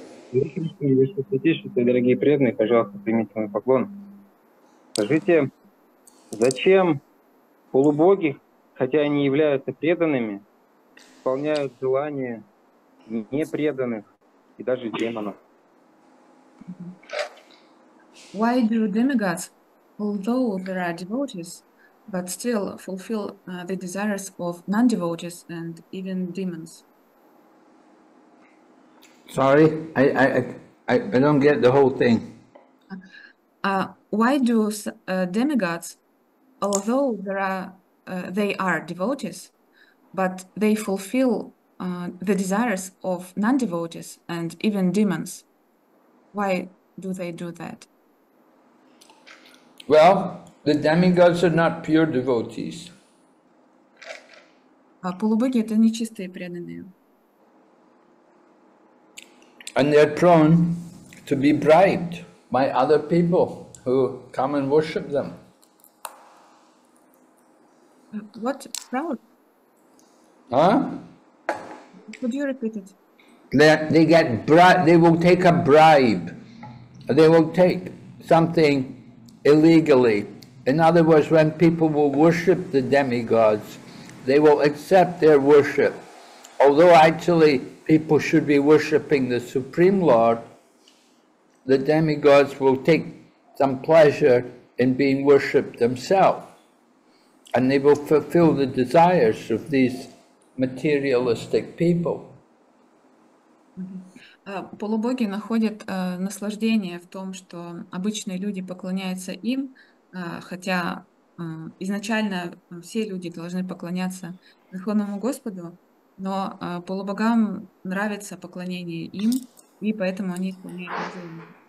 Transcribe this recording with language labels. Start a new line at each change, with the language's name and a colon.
Russian: Святейшие, дорогие преданные, пожалуйста, примите мой поклон. Скажите, зачем полубоги, хотя они являются преданными, исполняют желания непреданных и даже демонов?
English: Why do demigods, although they are devotees, but still fulfill the desires of non-devotees and even demons? Sorry, I don't get the whole thing. Why do demigods, although they are devotees, but they fulfill the desires of non-devotees and even demons? Why do they do that? Well, the demigods are not pure devotees.
Russian: Полубоги — это нечистые преданные.
English: And they're prone to be bribed by other people who come and worship them. What? Proud? Huh? Could you repeat it? They get they will take a bribe. They will take something illegally. In other words, when people will worship the demigods, they will accept their worship. Although actually people should be worshiping the Supreme Lord, the demigods will take some pleasure in being worshipped themselves, and they will fulfill the desires of these materialistic people.
Russian: Полубоги находят наслаждение в том, что обычные люди поклоняются им, хотя изначально все люди должны поклоняться Верховному Господу, но полубогам нравится поклонение им, и поэтому они исполняют желание.